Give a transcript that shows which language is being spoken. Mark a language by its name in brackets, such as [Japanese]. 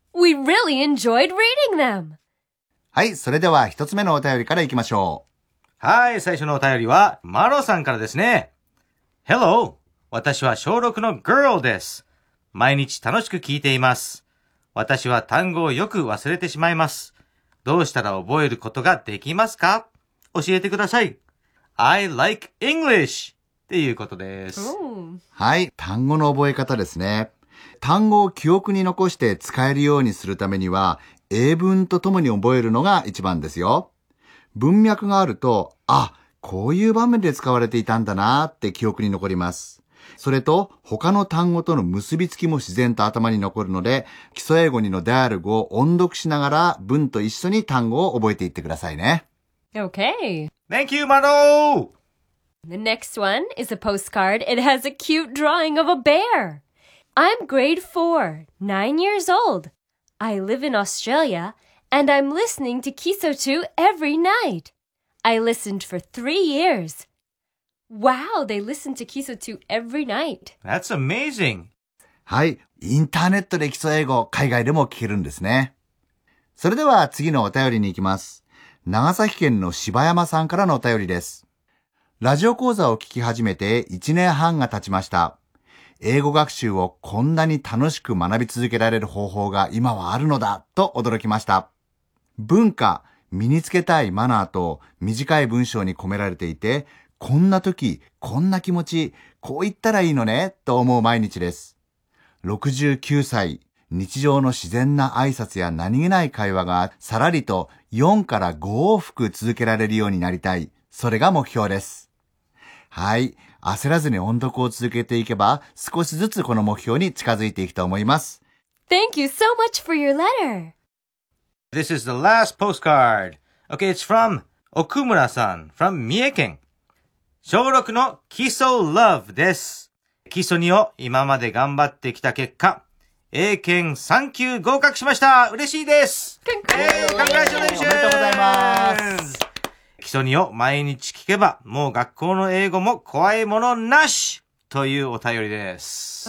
[English] We really enjoyed reading them. [Japanese] はい、それでは一つ目のお便りからいきましょう。はい、最初のお便りはマロさんからですね。 [English] Hello, [Japanese] 私は小6の girl です。毎日楽しく聞いています。私は単語をよく忘れてしまいます。どうしたら覚えることができますか？教えてください。 [English] I like English! [Japanese] っていうことです。はい、単語の覚え方ですね。単語を記憶に残して使えるようにするためには、英文とともに覚えるのが一番ですよ。文脈があると、あ、こういう場面で使われていたんだなって記憶に残ります。それと、他の単語との結びつきも自然と頭に残るので、基礎英語2のダイアログを音読しながら文と一緒に単語を覚えていってくださいね。 [English] Okay. Thank you, Mano! The next one is a postcard. It has a cute drawing of a bear. I'm grade 4, 9 years old. I live in Australia, and I'm listening to Kiso 2 every night. I listened for 3 years. Wow, they listen to Kiso 2 every night. That's amazing. [Japanese] はい、インターネットで基礎英語、海外でも聞けるんですね。それでは次のお便りに行きます。長崎県の柴山さんからのお便りです。ラジオ講座を聞き始めて1年半が経ちました。英語学習をこんなに楽しく学び続けられる方法が今はあるのだと驚きました。文化、身につけたいマナーと短い文章に込められていて、こんな時、こんな気持ち、こう言ったらいいのねと思う毎日です。 69歳、日常の自然な挨拶や何気ない会話がさらりと4から5往復続けられるようになりたい。それが目標です。はい。焦らずに音読を続けていけば、少しずつこの目標に近づいていくと思います。 [English] Thank you so much for your letter! This is the last postcard. Okay, it's from 奥村さん from 三重県。 [Japanese] 小6の基礎 love です。基礎2を今まで頑張ってきた結果、英検3級合格しました。嬉しいです。 [English] Congratulations! [Japanese] おめでとうございます。基礎2を毎日聞けば、もう学校の英語も怖いものなしというお便りです。